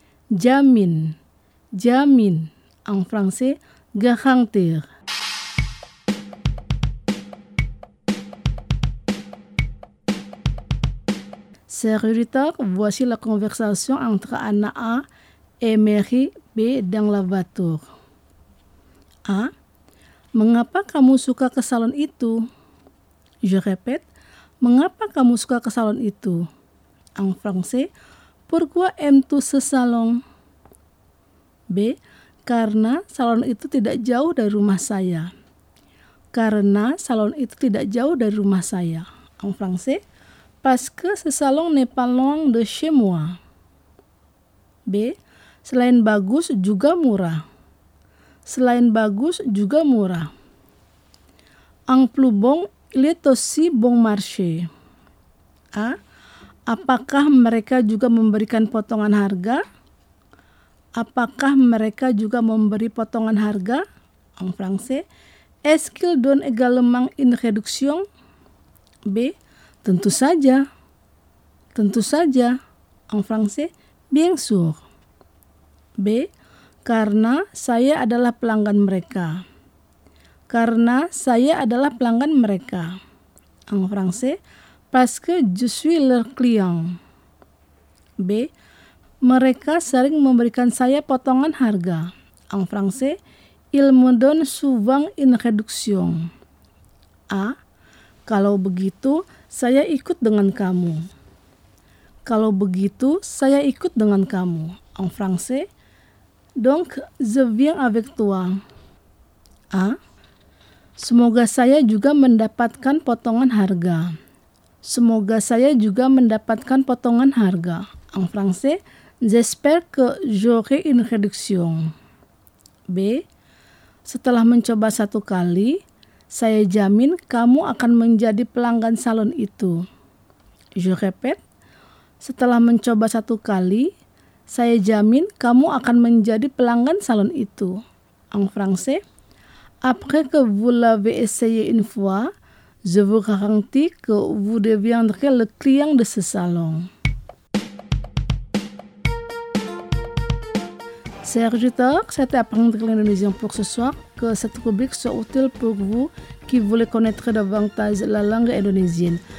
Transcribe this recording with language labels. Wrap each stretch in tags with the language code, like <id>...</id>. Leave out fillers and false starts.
<id>Jamin, jamin,</id> <fr>en français, garantir. Serviteur, voici la conversation entre Anna A et Mary B dans la voiture. A.</fr> <id>Mengapa kamu suka ke salon itu?</id> <fr>Je répète.</fr> <id>Mengapa kamu suka ke salon itu?</id> <fr>En français, pourquoi aimes-tu ce salon? B.</fr> <id>Karena salon itu tidak jauh dari rumah saya. Karena salon itu tidak jauh dari rumah saya.</id> <fr>En français, parce que ce salon n'est pas loin de chez moi. B.</fr> <id>Selain bagus juga murah. Selain bagus juga murah.</id> <fr>En plus bon, il est aussi bon marché. A.</fr> <id>Apakah mereka juga memberikan potongan harga? Apakah mereka juga memberi potongan harga?</id> <fr>En français, est-ce qu'ils donnent également une réduction?</fr> <id>B. Tentu saja. Tentu saja.</id> <fr>En français, bien sûr. B.</fr> <id>Karena saya adalah pelanggan mereka. Karena saya adalah pelanggan mereka.</id> <fr>En français, parce que je suis leur client. B.</fr> <id>Mereka sering memberikan saya potongan harga.</id> <fr>En français, ils me donnent souvent une réduction. A.</fr> <id>Kalau begitu, saya ikut dengan kamu. Kalau begitu, saya ikut dengan kamu.</id> <fr>En français, donc, je viens avec toi. A.</fr> <id>Semoga saya juga mendapatkan potongan harga. Semoga saya juga mendapatkan potongan harga.</id> <fr>En français, j'espère que j'aurai une réduction. B.</fr> <id>Setelah mencoba satu kali, saya jamin kamu akan menjadi pelanggan salon itu.</id> <fr>Je répète.</fr> <id>Setelah mencoba satu kali, saya jamin kamu akan menjadi pelanggan salon itu.</id> <fr>En français, après que vous l'avez essayé une fois, je vous garantis que vous deviendrez le client de ce salon. Serviteur, c'était Apprendre l'Indonésien pour ce soir. Que cette rubrique soit utile pour vous qui voulez connaître davantage la langue indonésienne.</fr>